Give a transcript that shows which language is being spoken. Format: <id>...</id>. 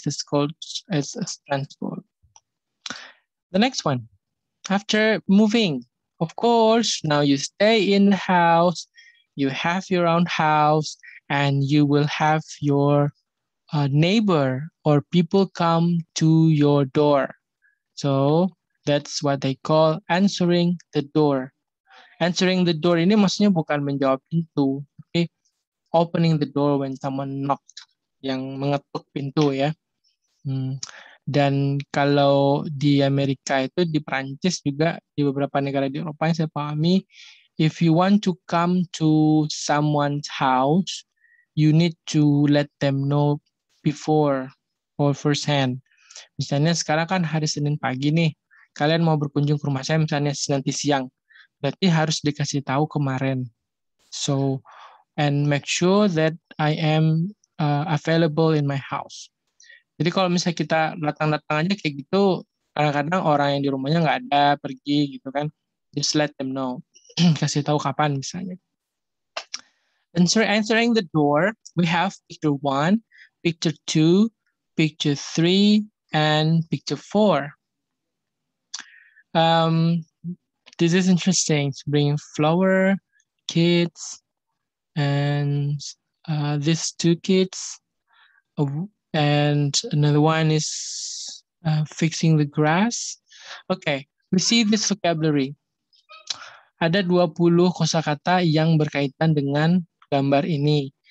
<en>That's called as transport. The next one, after moving, of course, now you stay in the house, you have your own house, and you will have your neighbor or people come to your door. So that's what they call answering the door.</en> <id>Answering the door ini maksudnya bukan menjawab pintu, tapi</id> <en>opening the door when someone knocked,</en> <id>yang mengetuk pintu ya. Dan kalau di Amerika itu, di Perancis juga, di beberapa negara di Eropa yang saya pahami,</id> <en>if you want to come to someone's house, you need to let them know before or first hand.</en> <id>Misalnya sekarang kan hari Senin pagi nih, kalian mau berkunjung ke rumah saya misalnya nanti siang, berarti harus dikasih tahu kemarin.</id> <en>So, and make sure that I am available in my house.</en> <id>Jadi kalau misalnya kita datang-datang aja kayak gitu, kadang-kadang orang yang di rumahnya nggak ada, pergi gitu kan,</id> <en>just let them know.</en> <id>Kasih tahu kapan misalnya.</id> <en>Answering the door, we have picture 1, picture 2, picture 3, and picture 4. This is interesting, to bring flower, kids, and these two kids, and another one is fixing the grass. Okay, we see this vocabulary.</en> <id>Ada 20 kosakata yang berkaitan dengan gambar ini.</id>